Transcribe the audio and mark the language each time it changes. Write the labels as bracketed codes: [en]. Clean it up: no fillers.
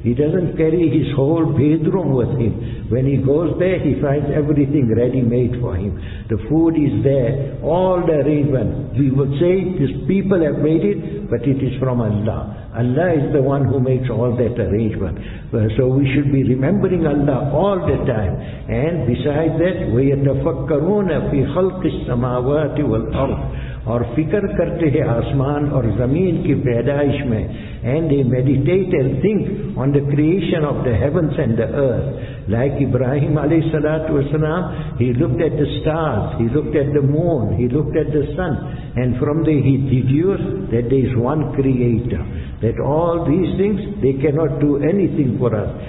[en] He doesn't carry his whole bedroom with him. When he goes there, he finds everything ready-made for him. The food is there, all the arrangement. We would say, these people have made it, but it is from Allah. Allah is the one who makes all that arrangement. So we should be remembering Allah all the time. And besides that, [ar] وَيَتَفَكَّرُونَ فِي خَلْقِ السَّمَاوَاتِ وَالْأَرْضِ. [ur] اور فکر کرتے ہیں آسمان اور زمین کی پیدائش میں. [en] And they meditate and think on the creation of the heavens and the earth. Like Ibrahim alayhi salatu wasalam, he looked at the stars, he looked at the moon, he looked at the sun. And from there he deduced that there is one creator. That all these things, they cannot do anything for us.